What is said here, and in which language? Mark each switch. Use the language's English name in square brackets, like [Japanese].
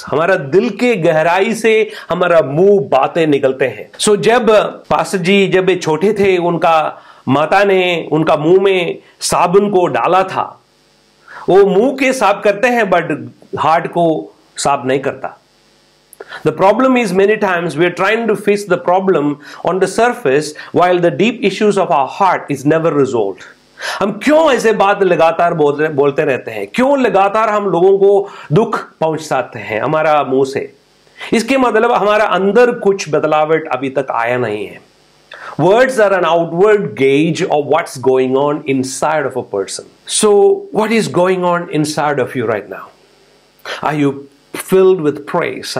[Hindi] हमारा दिल के गहराई से हमारा मुंह बातें निकलते हैं. सो जब पास्टर जी जब ये छोटे थे, उनका माता ने उनका मुंह में साबुन को डाला था. वो मुंह के साफ करते हैं बट हार्ट को साफ नहीं करता. [English] The problem is many times we are trying to fix the problem on the surface while the deep issues of our heart is never resolved. [Hindi] हम क्यों ऐसे बात लगातार बोलते रहते हैं, क्यों लगातार हम लोगों को दुख पहुंचाते हैं हमारा मुंह से. इसके मतलब हमारा अंदर कुछ बदलावट अभी तक आया नहीं है. [English] Words are an outward gauge of what's going on inside of a person. So what is going on inside of you right now? Are you filled with praise?